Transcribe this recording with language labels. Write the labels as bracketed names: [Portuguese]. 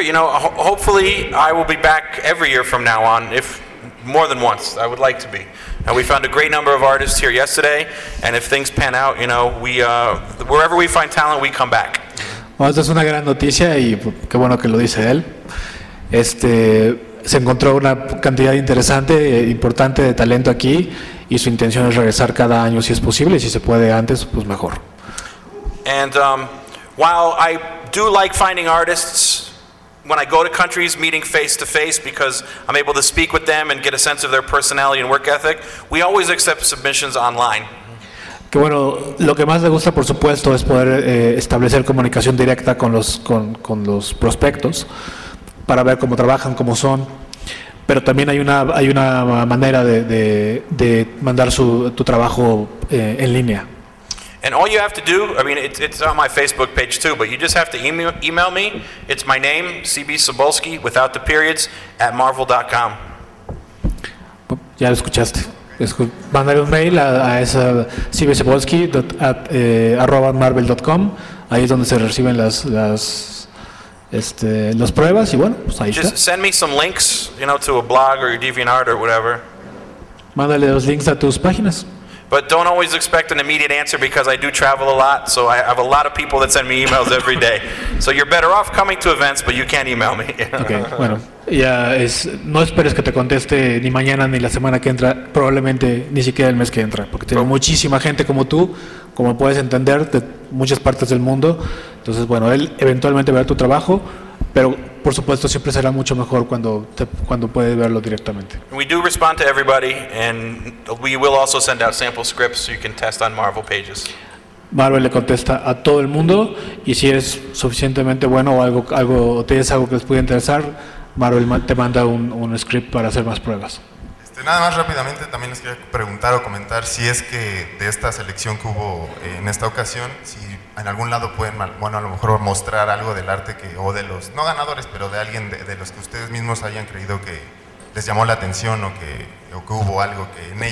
[English] You know, hopefully I will be back every year from now on, if more than once. I would like to be. And we found a great number of artists here yesterday, and if things pan out, you know, we wherever we find talent, we come back. [Spanish] Bueno, esto es una gran noticia y qué bueno que lo dice él. Se encontró una cantidad interesante, importante de talento aquí, y su intención es regresar cada año si es posible, y si se puede antes, pues mejor. [English] And while I do like finding artists when I go to countries, meeting face to face, because I'm able to speak with them and get a sense of their personality and work ethic, we always accept submissions online. [Spanish] Que bueno, lo que más le gusta, por supuesto, es poder establecer comunicación directa con los prospectos para ver cómo trabajan, cómo son. Pero también hay una manera de mandar tu trabajo en línea. [English] And all you have to do, I mean, it's on my Facebook page too, but you just have to email me. It's my name, CB Cebulski, without the periods, @marvel.com. [Spanish] Ya lo escuchaste. Mandar un mail a esa CB Cebulski @marvel.com. Ahí es donde se reciben las pruebas y bueno, pues ahí [English] just [Spanish] está. [English] Just send me some links, you know, to a blog or your DeviantArt or whatever. [Spanish] Mándale los links a tus páginas. [English] But don't always expect an immediate answer because I do travel a lot, so I have a lot of people that send me emails every day. So you're better off coming to events, but you can't email me. [Spanish] Okay, bueno, ya es, no esperes que te conteste ni mañana ni la semana que entra, probablemente ni siquiera el mes que entra, porque tengo muchísima gente como tú, como puedes entender, de muchas partes del mundo. Entonces, bueno, él eventualmente verá tu trabajo, pero por supuesto siempre será mucho mejor cuando puedes verlo directamente. [English] We do respond to everybody, and we will also send out sample scripts so you can test on Marvel pages. [Spanish] Marvel le contesta a todo el mundo, y si eres suficientemente bueno o algo tienes algo que les pueda interesar, Marvel te manda un script para hacer más pruebas. Nada más rápidamente también les quería preguntar o comentar si es que de esta selección que hubo en esta ocasión, si en algún lado pueden, bueno, a lo mejor mostrar algo del arte que, o de los, no ganadores, pero de alguien de los que ustedes mismos hayan creído que les llamó la atención o que hubo algo que en ellos